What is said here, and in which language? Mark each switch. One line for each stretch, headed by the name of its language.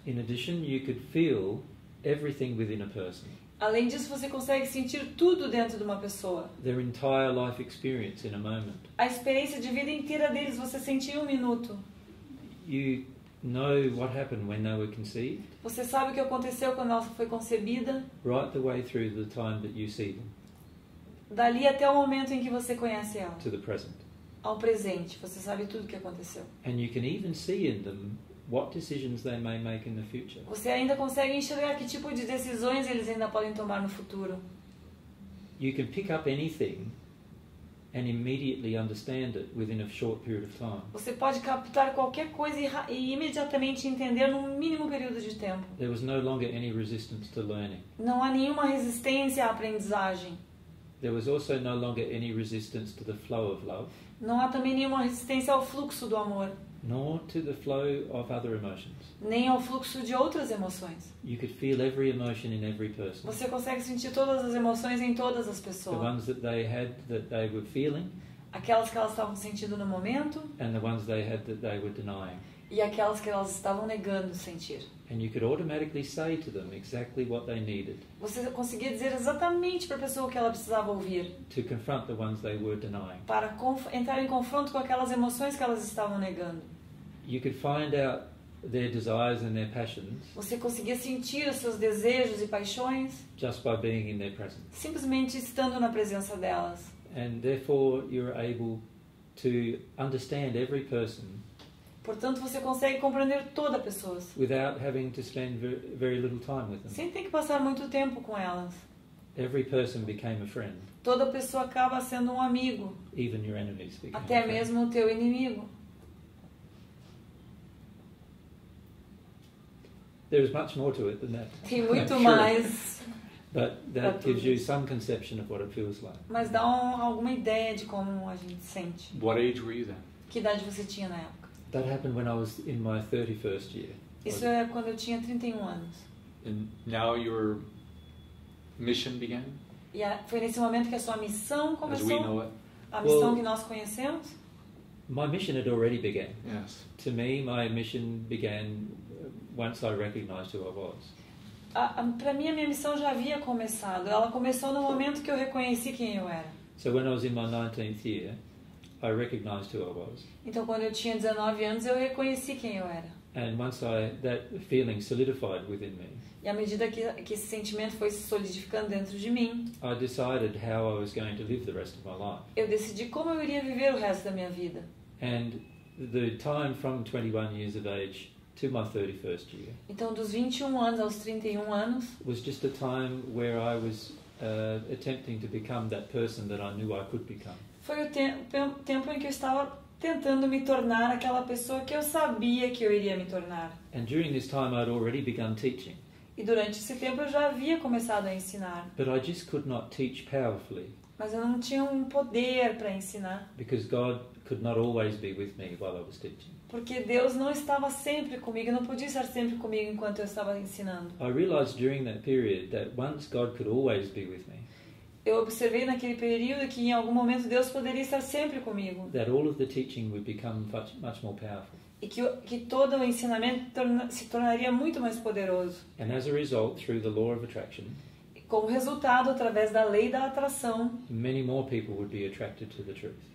English: In addition, you could feel everything within a person.
Portuguese: Além disso, você consegue sentir tudo dentro de uma pessoa.
English: Their entire life experience in a moment.
Portuguese: A experiência de vida inteira deles você sente em um minuto.
English: You know what happened when they were conceived.
Portuguese: Você sabe o que aconteceu quando ela foi concebida.
English: Right the way through the time that you see them.
Portuguese: Dali até o momento em que você conhece ela.
English: To the present.
Portuguese: Ao presente, você sabe tudo o que aconteceu.
English: And you can even see in them what decisions they may make in the future.
Portuguese: Você ainda consegue enxergar que tipo de decisões eles ainda podem tomar no futuro.
English: You can pick up anything and immediately understand it within a short period of time.
Portuguese: Você pode captar qualquer coisa e imediatamente entender num mínimo período de tempo.
English: There was no longer any resistance to learning.
Portuguese: Não há nenhuma resistência à aprendizagem.
English: There was also no longer any resistance to the flow of love.
Portuguese: Não há também nenhuma resistência ao fluxo do amor.
English: Nor to the flow of other emotions.
Portuguese: Nem ao fluxo de outras emoções.
English: You could feel every emotion in every person.
Portuguese: Você consegue sentir todas as emoções em todas as pessoas.
English: The ones that they had that they were feeling.
Portuguese: Aquelas que elas estavam sentindo no momento.
English: And the ones they had that they were denying.
Portuguese: E aquelas que elas estavam negando sentir.
English: And you could automatically say to them exactly what they needed.
Portuguese: Você conseguia dizer exatamente para a pessoa o que ela precisava ouvir.
English: To confront the ones they were denying.
Portuguese: Para entrar em confronto com aquelas emoções que elas estavam negando.
English: You could find out their desires and their passions.
Portuguese: Você conseguia sentir os seus desejos e paixões.
English: Just by being in their presence.
Portuguese: Simplesmente estando na presença delas.
English: And therefore you're able to understand every person.
Portuguese: Portanto, você consegue compreender toda a pessoa.
English: Without having to spend very little time with them.
Portuguese: Sem ter que passar muito tempo com elas.
English: Every person became a friend.
Portuguese: Toda pessoa acaba sendo um amigo.
English: Even your enemies became
Portuguese: Até a mesmo O teu inimigo.
English: There is much more to it than that.
Portuguese: Tem muito mais.
English: But that gives you some conception of what it feels like.
Portuguese: Mas dá alguma ideia de como a gente sente.
English: What age were you then?
Portuguese: Que idade você tinha na época?
English: That happened when I was in my 31st year.
Portuguese: Isso é quando eu tinha 31 anos.
English: And now your mission began?
Portuguese: Yeah, foi nesse momento que a sua missão começou.
English: As we know it.
Portuguese: A missão well, que nós conhecemos.
English: My mission had already began. Yes. To me, my mission began once I recognized who I was.
Portuguese: Para mim, a minha missão já havia começado. Ela começou no momento que eu reconheci quem eu era.
English: So when I was in my 19th year, I recognized who I was.
Portuguese: Então quando eu tinha 19 anos eu reconheci quem eu era.
English: And once that feeling solidified within me.
Portuguese: E à medida que esse sentimento foi se solidificando dentro de mim.
English: I decided how I was going to live the rest of my life.
Portuguese: Eu decidi como eu iria viver o resto da minha vida.
English: And the time from 21 years of age to my 31st year.
Portuguese: Então dos 21 anos aos 31 anos.
English: Was just a time where I was attempting to become that person that I knew I could become.
Portuguese: Foi o tempo em que eu estava tentando me tornar aquela pessoa que eu sabia que eu iria me tornar.
English: And during this time I'd already begun teaching.
Portuguese: E durante esse tempo eu já havia começado a ensinar.
English: But I just could not teach powerfully.
Portuguese: Mas eu não tinha um poder para ensinar.
English: Because God could not always be with me while I was teaching.
Portuguese: Porque Deus não estava sempre comigo, não podia estar sempre comigo enquanto eu estava ensinando.
English: I realized during that period that once God could always be with me.
Portuguese: eu observei naquele período que em algum momento Deus poderia estar sempre comigo.
English: That all of the teaching would become much, much more powerful.
Portuguese: E que todo o ensinamento se tornaria muito mais poderoso.
English: And as a result, through the law of attraction,
Portuguese: como resultado, através da lei da atração,
English: many more people would be attracted to the truth.